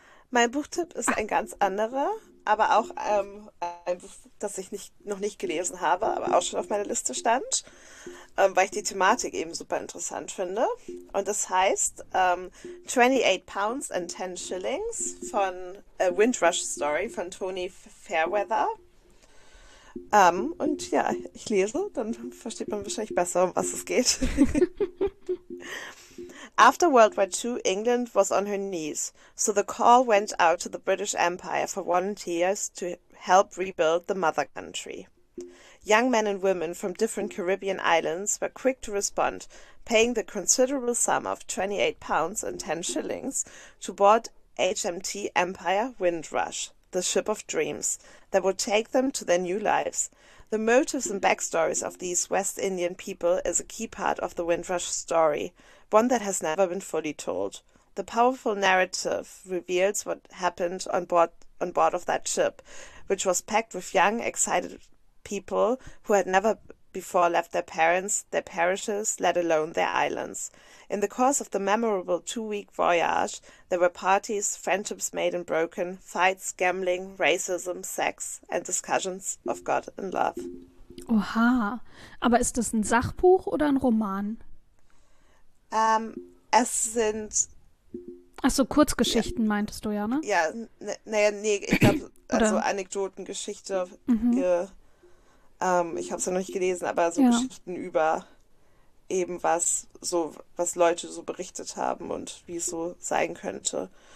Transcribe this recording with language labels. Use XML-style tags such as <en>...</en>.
<de>Mein Buchtipp ist ein ganz anderer, aber auch ein Buch, das ich noch nicht gelesen habe, aber auch schon auf meiner Liste stand, weil ich die Thematik eben super interessant finde. Und das heißt 28 Pounds and 10 Shillings von A Windrush Story von Tony Fairweather. Und ja, ich lese, dann versteht man wahrscheinlich besser, um was es geht.</de> <en>After World War II, England was on her knees, so the call went out to the British Empire for volunteers to help rebuild the mother country. Young men and women from different Caribbean islands were quick to respond, paying the considerable sum of £28 and 10 shillings to board HMT Empire Windrush, the ship of dreams, that would take them to their new lives. The motives and backstories of these West Indian people is a key part of the Windrush story, one that has never been fully told. The The powerful narrative reveals what happened on board of that ship, which was packed with young, excited people who had never before left their parents, their parishes, let alone their islands. In the course of the memorable 2-week voyage, there were parties, friendships made and broken, fights, gambling, racism, sex, and discussions of God and love.</en> <de>Oha, aber ist das ein Sachbuch oder ein Roman? Es sind... Ach so, Kurzgeschichten, ja, meintest du, ja, ne? Ja, nee, ich glaube, also Anekdotengeschichte. Mhm. Ich habe es ja noch nicht gelesen, aber so, ja. Geschichten über eben was Leute so berichtet haben und wie es so sein könnte.</de>